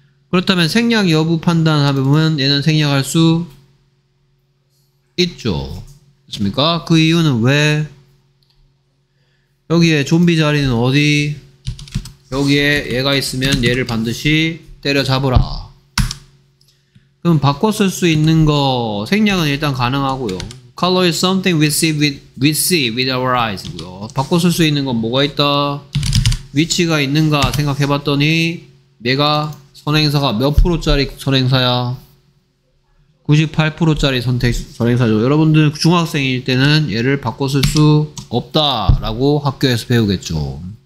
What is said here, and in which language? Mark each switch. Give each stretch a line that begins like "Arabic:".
Korean: 그렇다면 생략 여부 판단하면 얘는 생략할 수 있죠. 그렇습니까? 그 이유는 왜 여기에 좀비 자리는 어디 여기에 얘가 있으면 얘를 반드시 때려잡으라 그럼 바꿔 쓸 수 있는 거 생략은 일단 가능하고요.
English: Color is something we see with our eyes.
Korean: 바꿔 쓸 수 있는 건 뭐가 있다? 위치가 있는가 생각해 봤더니 내가 선행사가 몇 프로짜리 선행사야? 98%짜리 선택 선행사죠. 여러분들 중학생일 때는 얘를 바꿔 쓸 수 없다라고 학교에서 배우겠죠.